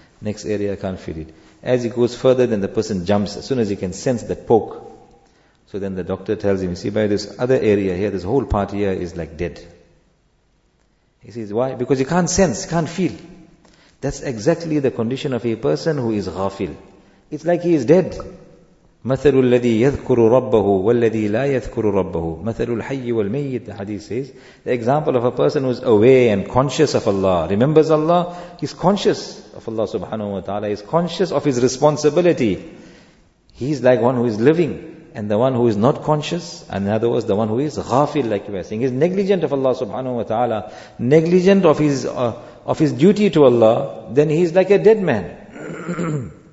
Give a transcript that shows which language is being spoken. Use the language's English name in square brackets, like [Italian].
[English] Next area, I can't feel it. As he goes further, then the person jumps, as soon as he can sense that poke. So then the doctor tells him, you see, by this other area here, this whole part here is like dead. He says, why? Because you can't sense, can't feel. That's exactly the condition of a person who is ghafil. It's like he is dead. [Arabic] مثل الذي يذكر ربه والذي لا يذكر ربه مثل الحي والميت. [English] The hadith says, the example of a person who is aware and conscious of Allah, remembers Allah, is conscious of Allah subhanahu wa ta'ala, is conscious of his responsibility. He is like one who is living. And the one who is not conscious, and in other words, the one who is ghafil, like you were saying, is negligent of Allah subhanahu wa ta'ala, negligent of his duty to Allah, then he is like a dead man.